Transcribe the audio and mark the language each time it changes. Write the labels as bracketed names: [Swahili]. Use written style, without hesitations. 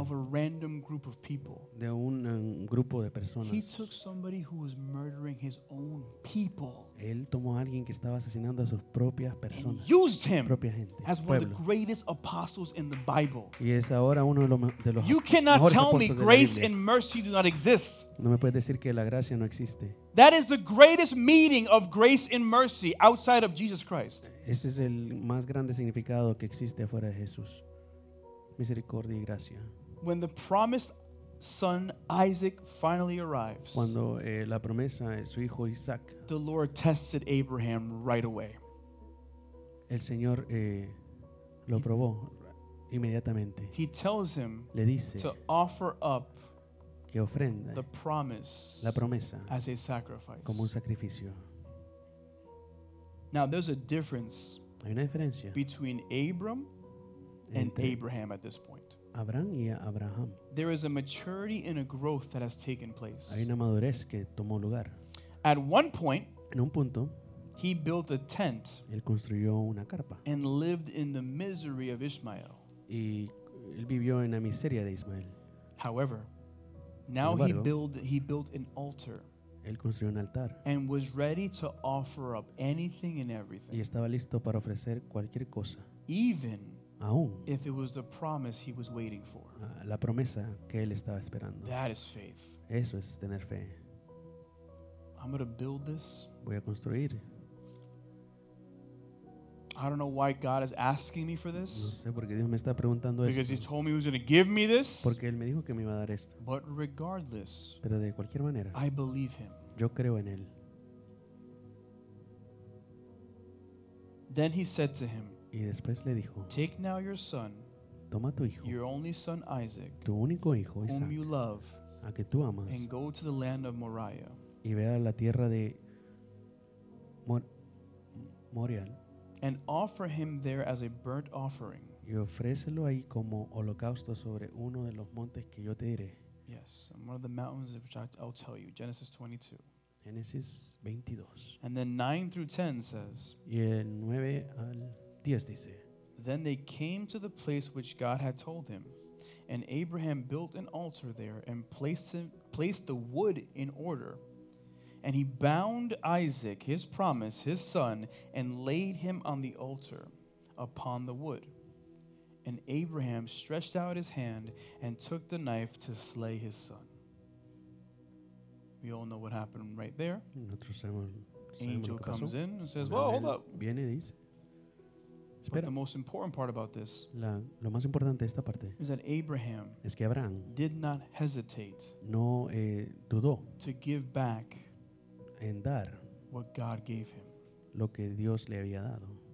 [English] of a random group of people. [Spanish] De un grupo de personas. [English] He took somebody who was murdering his own people. [Spanish] Él tomó a alguien que estaba asesinando a sus propias personas. [English] And used him [Spanish] propia gente, [English] as [Spanish] pueblo. [English] One of the greatest apostles in the Bible. [Spanish] Y es ahora uno de los [English] you cannot tell me grace and mercy do not exist. [Spanish] No me puedes decir que la gracia no existe. [English] That is the greatest meaning of grace and mercy outside of Jesus Christ. [Spanish] Ese es el más grande significado que existe fuera de Jesús. Misericordia y gracia. [English] When the promised son Isaac finally arrives, [Spanish] cuando la promesa de su hijo Isaac, [English] the Lord tested Abraham right away. [Spanish] El Señor lo probó inmediatamente. [English] He tells him [Spanish] le dice [English] to offer up [Spanish] que ofrenda [English] the promise [Spanish] la promesa [English] as a sacrifice. [Spanish] Como un sacrificio. [English] Now there's a difference [Spanish] hay una diferencia [English] between Abram and [Spanish] entre [English] Abraham at this point. [Spanish] Abraham y Abraham. [English] There is a maturity and a growth that has taken place. [Spanish] Hay una madurez que tomó lugar. [English] At one point, [Spanish] en un punto, [English] he built a tent. [Spanish] Él construyó una carpa. [English] And lived in the misery of Ishmael. [Spanish] Y él vivió en la miseria de Ismael. [English] However, now [Spanish] embargo, [English] he built an altar. [Spanish] Él construyó un altar. [English] And was ready to offer up anything and everything. [Spanish] Y estaba listo para ofrecer cualquier cosa. [English] Even [Spanish] aún, [English] if it was the promise he was waiting for, [Spanish] la promesa que él estaba esperando. [English] That is faith. [Spanish] Eso es tener fe. [English] I'm going to build this. [Spanish] Voy a construir. [English] I don't know why God is asking me for this. [Spanish] No sé por qué Dios me está preguntando esto. [English] Because he told me he was going to give me this. [Spanish] Porque él me dijo que me iba a dar esto. [English] But regardless, [Spanish] pero de cualquier manera, [English] I believe him. [Spanish] Yo creo en él. [English] Then he said to him, [Spanish] y después le dijo, [English] take now your son, [Spanish] toma tu hijo, [English] your only son Isaac, [Spanish] tu único hijo Isaac, [English] whom you love, [Spanish] a que tú amas, [English] and go to the land of Moriah. [Spanish] Y ve a la tierra de Moria. [English] And offer him there as a burnt offering. [Spanish] Y ofrécelo ahí como holocausto sobre uno de los montes que yo te diré. [English] Yes, and one of the mountains which I'll tell you. Genesis 22. Genesis 22. And then 9 through 10 says, [Spanish] y el 9 al 10 dice, [English] then they came to the place which God had told him, and Abraham built an altar there and placed the wood in order. And he bound Isaac, his promise, his son, and laid him on the altar upon the wood. And Abraham stretched out his hand and took the knife to slay his son. We all know what happened right there. Angel comes in and says, whoa, hold up. [Spanish] Viene y dice, [English] but the most important part about this [Spanish] lo más importante de esta parte [English] is that Abraham, [Spanish] es que Abraham [English] did not hesitate [Spanish] dudó [English] to give back [Spanish] en dar [English] what God gave him. [Spanish] Lo que Dios le había dado.